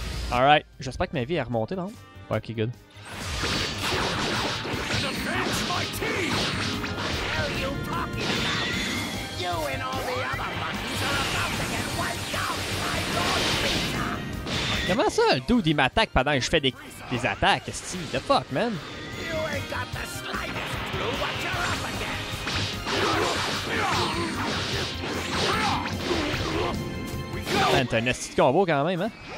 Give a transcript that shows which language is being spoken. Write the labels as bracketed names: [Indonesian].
[English] Alright. [French] J'espère que ma vie est remontée, non? [English] Okay, good. And avenge my team! What the hell are you talking about? You and all the other monkeys are about to get wiped out by your pizza! [French] Comment ça, le dude, il m'attaque pendant que je fais des attaques, Steve? [English] What the fuck, man? You ain't got the slightest clue what you're up against. [French] Man, t'as un esti de combo quand même, hein?